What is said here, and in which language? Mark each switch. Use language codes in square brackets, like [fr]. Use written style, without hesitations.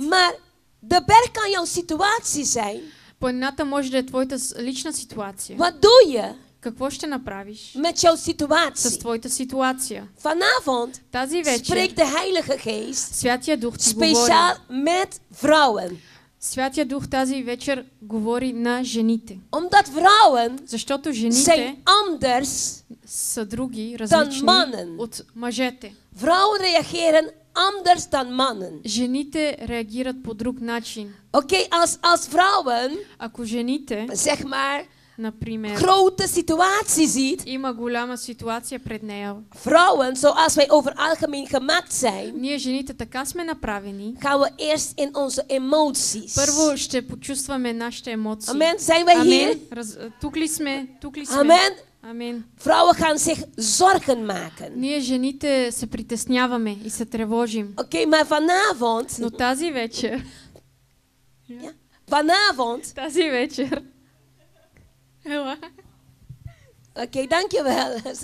[nl] Maar de berg kan jouw situatie zijn. [bg] Планината може да е твоята лична ситуация. [en] What do you? [bg] Какво ще направиш? [nl] Met jouw situatie. [bg] С твоята ситуация. [nl] Vanavond. [bg] Тази вечер. [nl] Spreekt de Heilige Geest. [bg] Святия Дух ти говори. [nl] Speciaal met vrouwen. [bg] Святия Дух тази вечер говори на жените. [nl] Omdat vrouwen. [bg] Защото жените. [nl] Zijn anders. [bg] Са други, различни от мъжете. [nl] Vrouwen reageren anders dan mannen. [bg] Жените реагират по друг начин. [nl] Okay, als vrouwen. [bg] Ако жените. [nl] Zeg maar. [bg] Например, [nl] grote situatie ziet. [bg] Има голяма ситуация пред нея. [nl] Vrouwen, zoals wij over algemeen gemaakt zijn. [bg] Ние жените така сме направени. [nl] Gaan we eerst in onze emoties. [bg] Първо ще почувстваме нашите емоции. [nl] Amen, zijn wij hier? [bg] Тук ли сме? Тук ли сме? [nl] Amen. [bg] Amen. [nl] Vrouwen gaan zich zorgen maken. [bg] Ние жените се притесняваме и се тревожим. [nl] Okay, maar vanavond. [bg] Но тази вечер. [nl] Ja. Vanavond. [bg] Тази вечер. Ела. [nl] Oké, dankjewel.